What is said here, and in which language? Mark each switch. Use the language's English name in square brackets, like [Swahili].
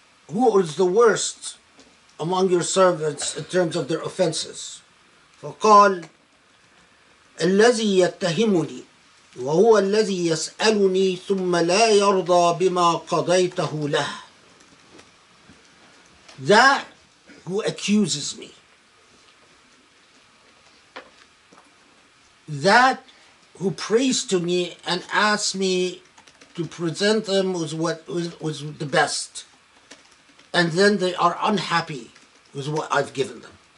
[English] Who is the worst among your servants in terms of their offenses? [Arabic] فقال الذي يتهمني وهو الذي يسألني ثم لا يرضى بما قضيته له. [English] That who accuses me, that who prays to me and asks me to present them with what was the best, and then they are unhappy with what I've given them.